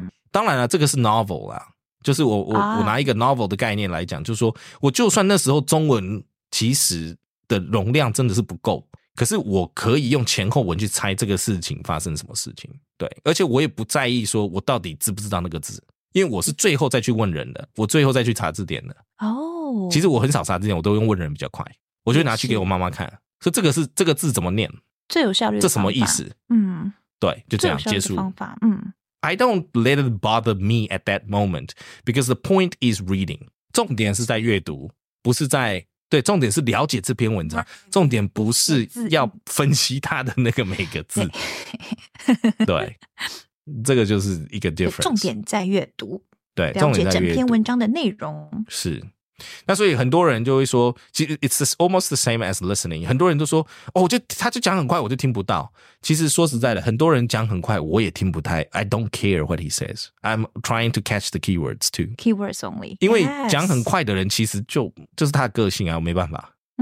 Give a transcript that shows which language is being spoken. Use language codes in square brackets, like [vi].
[zh] 当然啦、这个是 novel 啦，就是我拿一个 novel 的概念来讲，就是说我就算那时候中文其实的容量真的是不够，可是我可以用前后文去猜这个事情发生什么事情。对，而且我也不在意说我到底知不知道那个字，因为我是最后再去问人的，我最后再去查字典的。其实我很少查字典，我都用问人比较快，我就拿去给我妈妈看，说这个是这个字怎么念，最有效率的方法，这什么意思。对，就这样结束。 [en] I don't let it bother me at that moment because the point is reading. [zh] 重点是在阅读，不是在，对，重点是了解这篇文章，重点不是要分析它的那个每个字。对，这个就是一个 difference。重点在阅读，对，重点在阅读，了解整篇文章的内容。是，那所以很多人就会说，其实 it's almost the same as listening. 很多人都说，哦，他就讲很快，我就听不到。其实说实在的，很多人讲很快，我也听不太。 [en] I don't care what he says. I'm trying to catch the keywords too. Keywords only. [zh] 因为讲很快的人，其实就是他的个性啊，我没办法。